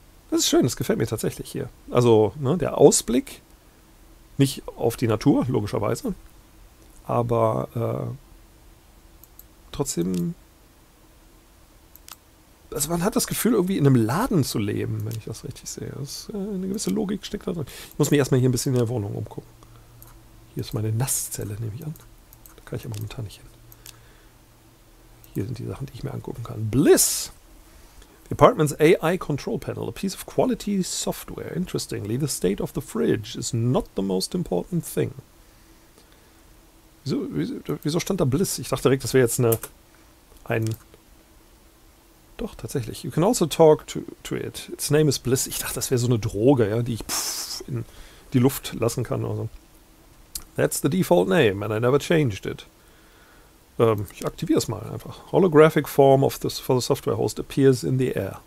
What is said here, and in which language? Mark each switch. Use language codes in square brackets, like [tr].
[de] Das ist schön, das gefällt mir tatsächlich hier. Also, ne, der Ausblick, nicht auf die Natur, logischerweise, aber trotzdem, also man hat das Gefühl, irgendwie in einem Laden zu leben, wenn ich das richtig sehe. Das ist, eine gewisse Logik steckt da drin. Ich muss mich erstmal hier ein bisschen in der Wohnung umgucken. Hier ist meine Nasszelle, nehme ich an. Da kann ich ja momentan nicht hin. Hier sind die Sachen, die ich mir angucken kann. [en] Bliss! The apartment's AI control panel, a piece of quality software. Interestingly, the state of the fridge is not the most important thing. [de] Wieso stand da Bliss? Ich dachte direkt, das wäre jetzt Doch, tatsächlich. [en] You can also talk to it. Its name is Bliss. [de] Ich dachte, das wäre so eine Droge, ja, die ich in die Luft lassen kann oder so. [en] That's the default name and I never changed it. [de] Ich aktiviere es mal einfach. [en] Holographic form of this for the software host appears in the air.